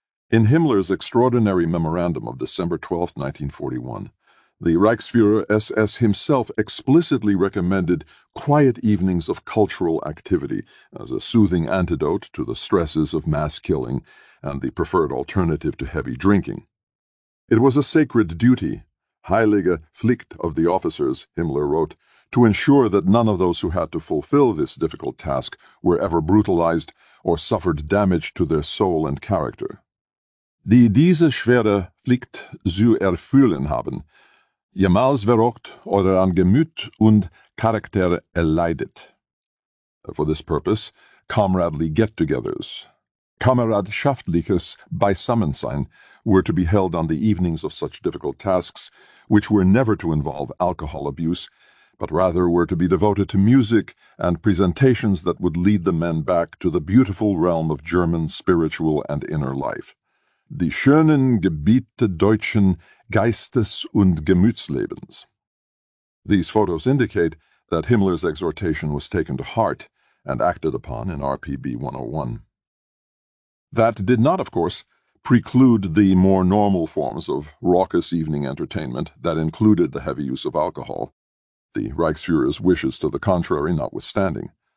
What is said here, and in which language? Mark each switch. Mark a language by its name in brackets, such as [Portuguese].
[English] In Himmler's extraordinary memorandum of December 12, 1941, the Reichsfuhrer SS himself explicitly recommended quiet evenings of cultural activity as a soothing antidote to the stresses of mass killing and the preferred alternative to heavy drinking. It was a sacred duty, [German] heilige Pflicht [English] of the officers, Himmler wrote, to ensure that none of those who had to fulfill this difficult task were ever brutalized or suffered damage to their soul and character. [German] Die diese schwere Pflicht zu erfüllen haben, jemals verrockt oder an Gemüt und Charakter erleidet. [English] For this purpose, comradely get-togethers, [German] kameradschaftliches Beisammensein, [English] were to be held on the evenings of such difficult tasks, which were never to involve alcohol abuse, but rather were to be devoted to music and presentations that would lead the men back to the beautiful realm of German spiritual and inner life. [German] Die schönen Gebiete deutschen Geistes und Gemütslebens. [English] These photos indicate that Himmler's exhortation was taken to heart and acted upon in RPB 101. That did not, of course, preclude the more normal forms of raucous evening entertainment that included the heavy use of alcohol, the Reichsfuhrer's wishes to the contrary notwithstanding.